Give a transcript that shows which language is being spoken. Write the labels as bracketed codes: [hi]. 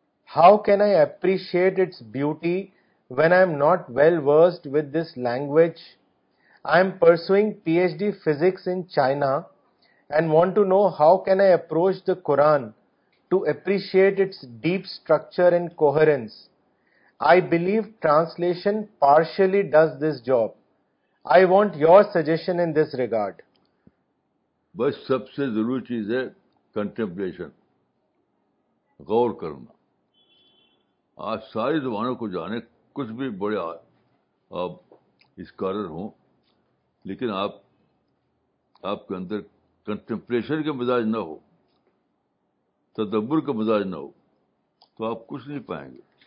[en] How can I appreciate its beauty when I am not well versed with this language? I am pursuing P H D physics in China and want to know how can I approach the Quran to appreciate its deep structure and coherence. I believe translation partially does this job. I want your suggestion in this regard. [ur] بس سب سے ضروری چیز ہے contemplation, غور کرنا. آج ساری زبانوں کو جانے کچھ بھی بڑے آپ اسکالر ہوں، لیکن آپ کے اندر کنٹمپلیشن کے مزاج نہ ہو، تدبر کا مزاج نہ ہو، تو آپ کچھ نہیں پائیں گے.